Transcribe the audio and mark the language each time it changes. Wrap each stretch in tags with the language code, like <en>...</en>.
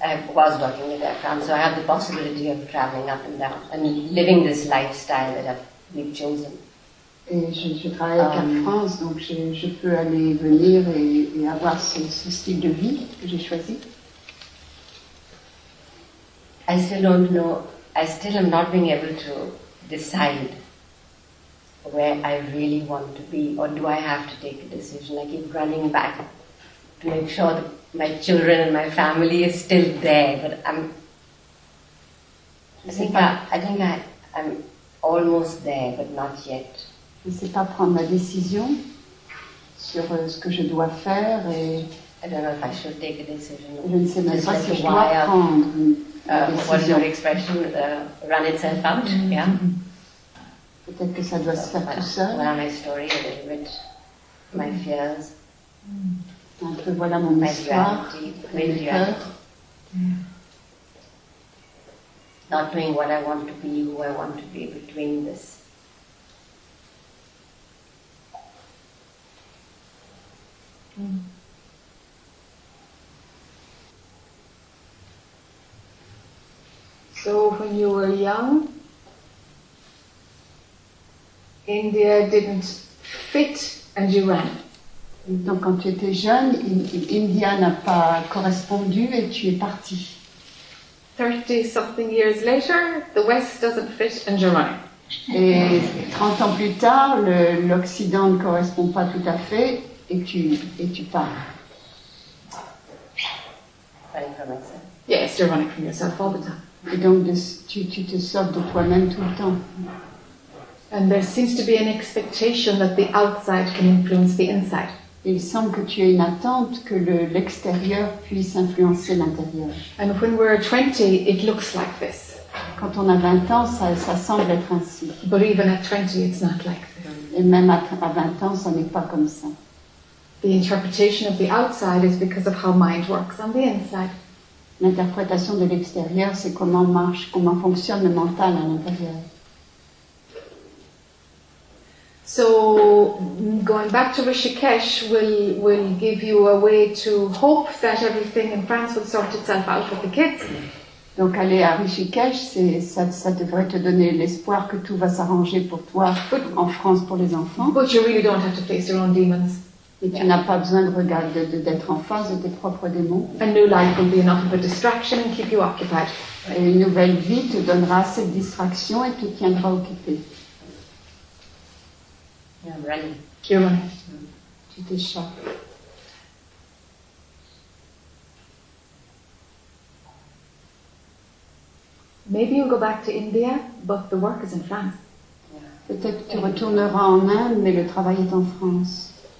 <en>I was working with Air France, so I have the possibility of traveling up and down and living this lifestyle that we've chosen.</en> <fr>Et je travaille avec Air France, donc je peux aller venir et avoir ce style de vie que j'ai choisi.</fr> <en>I still don't know. I still am not being able to decide where I really want to be, or do I have to take a decision? I keep running back to make sure that my children and my family is still there, but I'm. I think I'm almost there, but not yet.</en> <fr>Je ne sais pas prendre ma décision sur ce que je dois faire et</fr> <en>I don't know if I should take a decision.</en> <fr>Je ne sais même pas si je dois prendre une décision.</fr> <en>What is your expression? Run itself out, yeah.</en> <fr>Peut-être que ça doit se faire tout seul.</fr> <en>Voilà my story, a little bit, my fears.</en> <fr>Un peu voilà mon histoire, mes peurs.</fr> <en>Not knowing what I want to be, who I want to be between this. So when you were young, India didn't fit and you ran.</en> <fr>Donc quand tu étais jeune, India n'a pas correspondu et tu es parti.</fr> <en>30-something years later, the West doesn't fit and you run.</en> <fr>Et 30 ans plus tard, l'Occident ne correspond pas tout à fait. Et tu pars.</fr> <en>Running from myself. Yes, you're running from yourself all the time.</en> <fr>Et donc tu te sors de toi-même tout le temps.</fr> <en>And there seems to be an expectation that the outside can influence the inside.</en> <fr>Il semble que tu aies une attente que l'extérieur puisse influencer l'intérieur.</fr> <en>And when we're 20, it looks like this.</en> <fr>Quand on a 20 ans, ça semble être ainsi.</fr> <en>But even at 20, it's not like this.</en> <fr>Et même à 20 ans, ça n'est pas comme ça.</fr> <en>The interpretation of the outside is because of how mind works on the inside.</en> <fr>L'interprétation de l'extérieur, c'est comment marche, comment fonctionne le mental à l'intérieur.</fr> <en>So going back to Rishikesh will give you a way to hope that everything in France will sort itself out with the kids.</en> <fr>Donc aller à Rishikesh, ça devrait te donner l'espoir que tout va s'arranger pour toi en France pour les enfants.</fr> <en>But you really don't have to face your own demons.</en> <fr>Et tu n'as pas besoin de regarder d'être en face de tes propres démons.</fr> <en>A new life will be enough of a distraction and keep you occupied.</en> <fr>Et une nouvelle vie te donnera cette distraction et te tiendra occupé.</fr> <en>I'm ready. You're ready.</en> <fr>Tu t'échappes.</fr> <en>Maybe you'll go back to India, but the work is in France.</en> <fr>Peut-être tu retourneras en Inde, mais le travail est en France.</fr>